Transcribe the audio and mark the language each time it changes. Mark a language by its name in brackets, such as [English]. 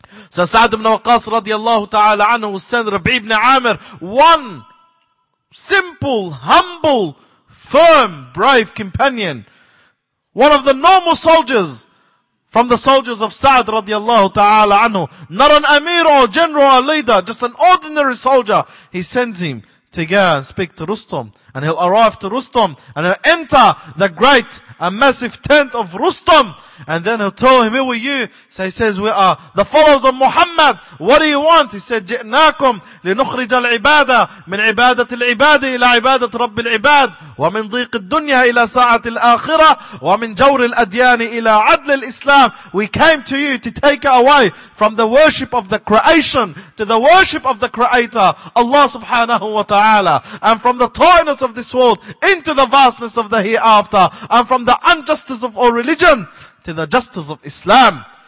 [English] So Sa'd ibn Waqqas radiallahu ta'ala anhu will send Rabi ibn Amir, one simple, humble, firm, brave companion, one of the normal soldiers from the soldiers of Sa'd radiallahu ta'ala anhu, not an amir or general or leader, just an ordinary soldier. He sends him to go and speak to Rustam, and he'll arrive to Rustam, and he'll enter the great and massive tent of Rustam, and then he'll tell him, who are you? So he says, we are the followers of Muhammad. What do you want? He said, [Arabic] جئناكم لنخرج العبادة من عبادة العباد إلى عبادة رب العباد ومن ضيق الدنيا إلى ساعة الآخرة ومن جور الأديان إلى عدل الإسلام. [English] We came to you to take away from the worship of the creation to the worship of the creator, Allah subhanahu wa ta'ala, and from the tawiness of this world into the vastness of the hereafter, and from the injustice of all religion to the justice of Islam.